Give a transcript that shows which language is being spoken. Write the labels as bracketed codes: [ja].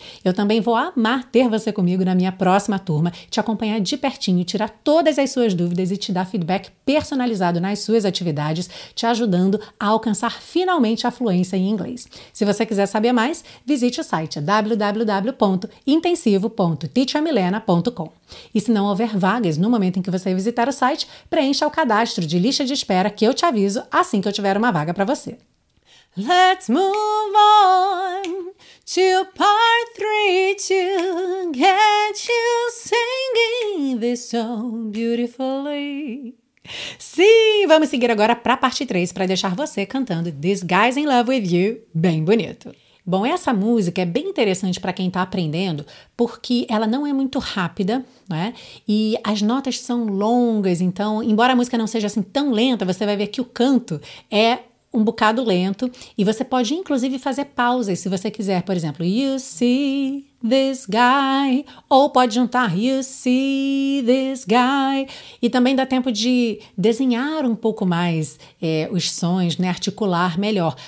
[pt] Eu também vou amar ter você comigo na minha próxima turma, te acompanhar de pertinho, tirar todas as suas dúvidas e te dar feedback personalizado nas suas atividades, te ajudando a alcançar finalmente a fluência em inglês. Se você quiser saber mais, visite o site www.intensivo.teachermilena.com. E se não houver vagas no momento em que você visitar o site, preencha o cadastro de lista de espera que eu te aviso assim que eu tiver uma vaga para você. [en] Let's move on to part 3 to get you singing this song beautifully. [pt] Sim, vamos seguir agora para a parte 3 para deixar você cantando This Guy's in Love with You bem bonito. Bom, essa música é bem interessante para quem está aprendendo, porque ela não é muito rápida, né? E as notas são longas, então, embora a música não seja assim tão lenta, você vai ver que o canto é um bocado lento, e você pode inclusive fazer pausas se você quiser, por exemplo, [en] you see this guy, [pt] ou pode juntar you see this guy, e também dá tempo de desenhar um pouco mais os sons, né, articular melhor.